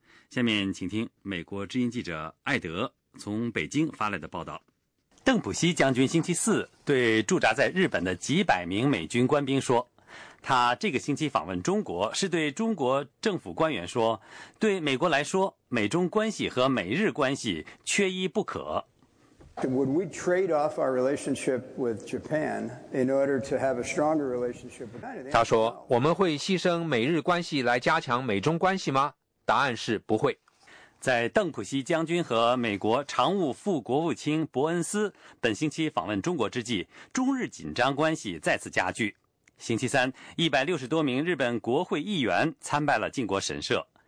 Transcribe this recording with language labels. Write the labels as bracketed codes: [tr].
[zh] 下面请听美国之音记者艾德从北京发来的报道。邓普西将军星期四对驻扎在日本的几百名美军官兵说，他这个星期访问中国是对中国政府官员说，对美国来说，美中关系和美日关系缺一不可。 [en] Would we trade off our relationship with Japan in order to have a stronger relationship with China? [zh] 他说，我们会牺牲美日关系来加强美中关系吗？答案是不会。在邓普西将军和美国常务副国务卿伯恩斯本星期访问中国之际，中日紧张关系再次加剧。星期三，160多名日本国会议员参拜了靖国神社。